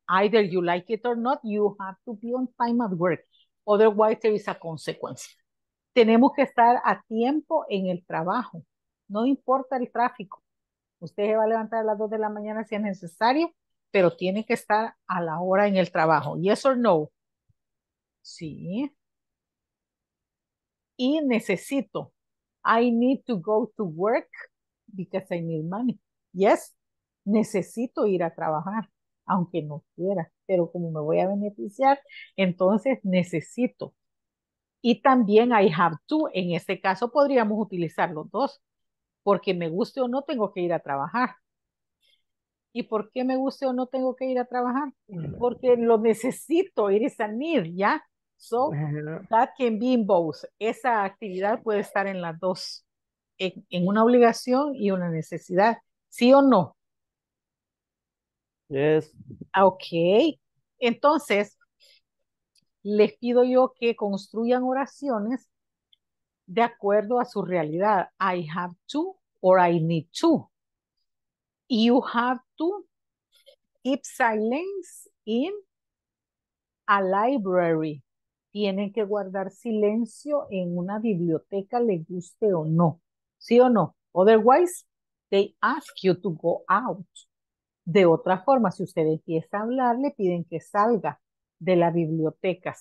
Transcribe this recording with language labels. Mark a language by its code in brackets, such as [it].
[en] Either you like it or not, you have to be on time at work. Otherwise, there is a consequence. [es] Tenemos que estar a tiempo en el trabajo. No importa el tráfico. Usted se va a levantar a las 2 de la mañana si es necesario, pero tiene que estar a la hora en el trabajo. [en] Yes or no? [es] Sí. Y necesito. [en] I need to go to work because I need money. Yes. [es] Necesito ir a trabajar, aunque no quiera. Pero como me voy a beneficiar, entonces necesito. Y también [en] I have to. [es] En este caso podríamos utilizar los dos. Porque me guste o no, tengo que ir a trabajar. ¿Y por qué me guste o no tengo que ir a trabajar? Porque lo necesito, [en] it is a need, ¿ya? So, that can be in both. [es] Esa actividad puede estar en las dos, en una obligación y una necesidad. ¿Sí o no? [en] Yes. Ok. [es] Entonces, les pido yo que construyan oraciones de acuerdo a su realidad. [en] I have to or I need to. You have to keep silence in a library. [es] Tienen que guardar silencio en una biblioteca, le guste o no. ¿Sí o no? [en] Otherwise, they ask you to go out. [es] De otra forma, si usted empieza a hablar, le piden que salga de la biblioteca.